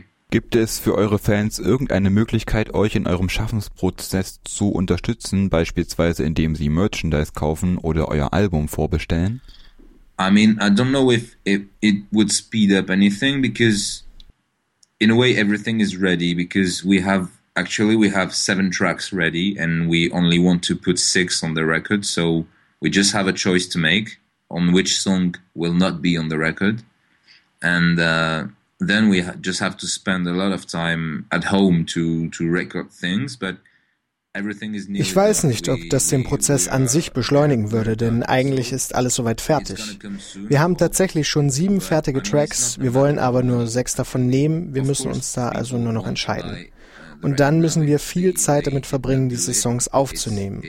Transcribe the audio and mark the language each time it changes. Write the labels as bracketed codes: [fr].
[de] Gibt es für eure Fans irgendeine Möglichkeit, euch in eurem Schaffensprozess zu unterstützen, beispielsweise indem sie Merchandise kaufen oder euer Album vorbestellen? [en] I mean, I don't know if it would speed up anything, because in a way everything is ready, because we have 7 tracks ready and we only want to put 6 on the record, so we just have a choice to make on which song will not be on the record. And then we just have to spend a lot of time at home to record things, but everything is needed. [de] Ich weiß nicht, ob das den Prozess an sich beschleunigen würde, denn eigentlich ist alles soweit fertig. Wir haben tatsächlich schon 7 fertige Tracks, wir wollen aber nur 6 davon nehmen, wir müssen uns da also nur noch entscheiden. und dann müssen wir viel Zeit damit verbringen, diese Songs aufzunehmen.